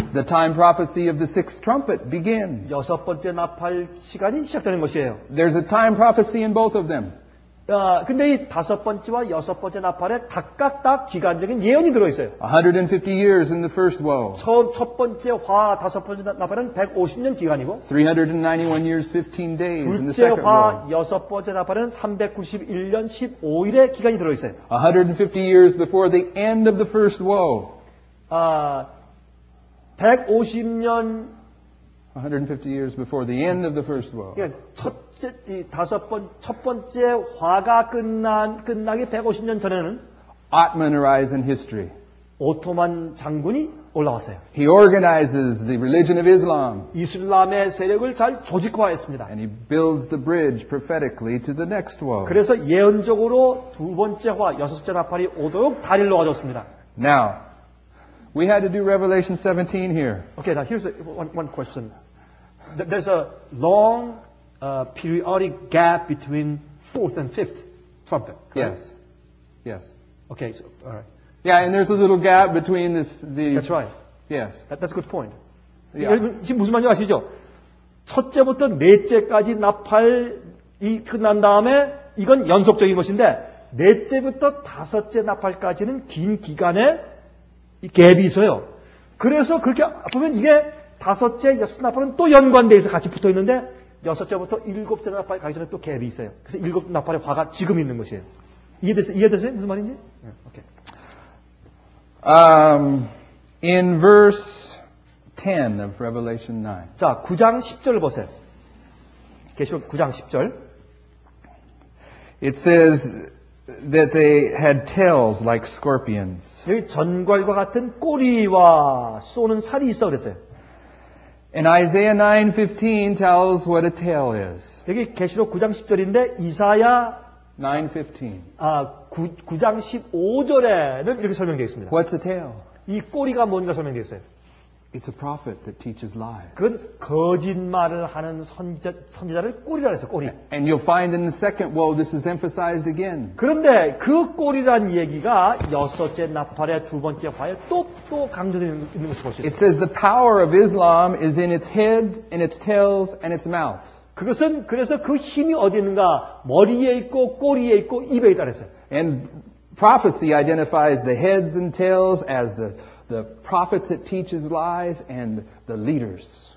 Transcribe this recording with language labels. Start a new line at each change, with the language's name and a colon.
English: the time prophecy of the sixth trumpet begins.
Korean: 여섯 번째 나팔 시간이 시작되는 것이에요.
English: There's a time prophecy in both of them.
Korean: 근데 이 다섯 번째와 여섯 번째 나팔에 각각 다 기간적인 예언이 들어 있어요.
English: 150 years in the first woe.
Korean: 첫 번째 화 다섯 번째 나팔은 150년 기간이고
English: 391 years 15 days in the second woe.
Korean: 둘째 화 여섯 번째 나팔은 391년 15일의 기간이 들어 있어요.
English: 150 years before the end of the first woe.
Korean: 150년
English: 150 years before the end of the first woe.
Korean: 예, 첫째 이 다섯 번 첫 번째 화가 끝나기 150년 전에는
English: Ottoman arise in history.
Korean: 오토만 장군이 올라왔어요.
English: He organizes the religion of Islam.
Korean: 이슬람의 세력을 잘 조직화했습니다.
English: And he builds the bridge prophetically to the next woe.
Korean: 그래서 예언적으로 두 번째 화 여섯째 나팔이 오도록 다리를 놓아줬습니다.
English: Now we had to do Revelation 17 here. Okay, now here's one question. There's a long periodic gap between fourth and fifth trumpet. Correct? Yes. Yes. Okay, so, all right. Yeah, and there's a little gap between this. The, that's right. Yes. That's a good point. Yeah.
Korean: 지금 무슨 말인지 아시죠? 첫째부터 넷째까지 나팔이 끝난 다음에 이건 연속적인 것인데, 넷째부터 다섯째 나팔까지는 긴 기간에 이 갭이 있어요. 그래서 그렇게 보면 이게 다섯째, 여섯째 나팔은 또 연관되어 있어 같이 붙어 있는데 여섯째부터 일곱째 나팔 가기 전에 또 갭이 있어요. 그래서 일곱 나팔의 화가 지금 있는 것이에요. 이해되세요? 무슨 말인지? 네. 오케이.
English: In verse 10 of Revelation 9.
Korean: 자, 9장 10절 보세요. 계시록 9장 10절.
English: It says that they had tails like scorpions.
Korean: 여기 전갈과 같은 꼬리와 쏘는 살이 있어 그랬어요.
English: And Isaiah 9:15 tells what a tail is.
Korean: 여기 계시록 9장 10절인데 이사야 9:15. 9장 15절에는 이렇게 설명되어 있습니다.
English: What's a tail?
Korean: 이 꼬리가 뭔가 설명되어 있어요.
English: It's a prophet that teaches lies.
Korean: 그 거짓말을 하는 선지자를 꼬리라 했어요. 꼬리.
English: And you'll find in the second woe this is emphasized again.
Korean: 그런데 그 꼬리란 얘기가 여섯째 나팔의 두 번째 화에 또 강조되어 있는 것을 볼 수 있어요.
English: It says the power of Islam is in its heads, in its tails, and its mouth.
Korean: 그것은 그래서 그 힘이 어디 있는가? 머리에 있고 꼬리에 있고 입에 있다 했어요.
English: And prophecy identifies the heads and tails as the prophets that teaches lies and the leaders.